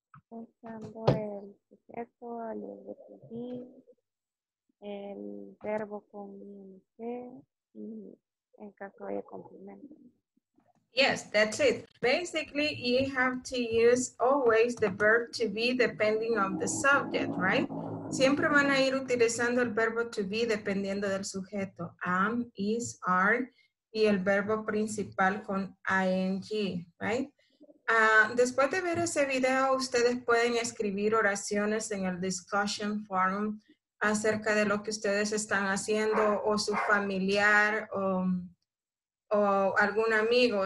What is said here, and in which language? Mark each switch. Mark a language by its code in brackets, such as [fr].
[es] Usando el sujeto, el verbo to be, el verbo con ing, y en caso de complemento. [en] Yes, that's it. Basically, you have to use always the verb to be depending on the subject, right? [es] Siempre van a ir utilizando el verbo to be dependiendo del sujeto. Am, is, are, y el verbo principal con ing, right? Después de ver ese video, ustedes pueden escribir oraciones en el discussion forum acerca de lo que ustedes están haciendo o su familiar o algún amigo.